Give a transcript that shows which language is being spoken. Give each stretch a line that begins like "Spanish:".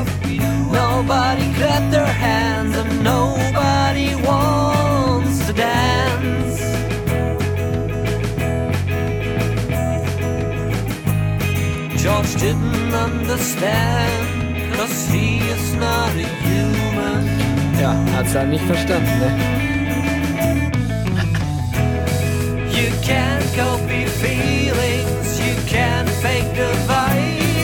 English: Nobody clap their hands and nobody wants to dance. George didn't understand, 'cause he is not a human.
German: Ja, hat's ja nicht verstanden, ne?
English: You can't copy feelings, you can't fake the vibe.